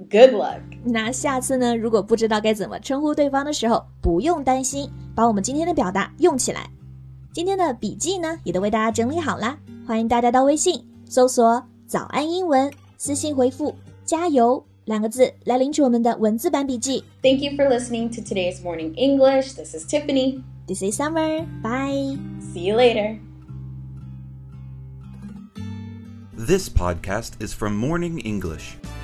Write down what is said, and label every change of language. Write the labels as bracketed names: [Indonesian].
[English] Good luck! [Chinese] 那下次呢，如果不知道该怎么称呼对方的时候，不用担心，把我们今天的表达用起来。今天的笔记呢，也都为大家整理好啦。欢迎大家到微信搜索早安英文，私信回复加油两个字来领取我们的文字版笔记。 [English] Thank you for listening to today's Morning English. This is Tiffany. This is Summer. Bye. See you later. This podcast is from Morning English.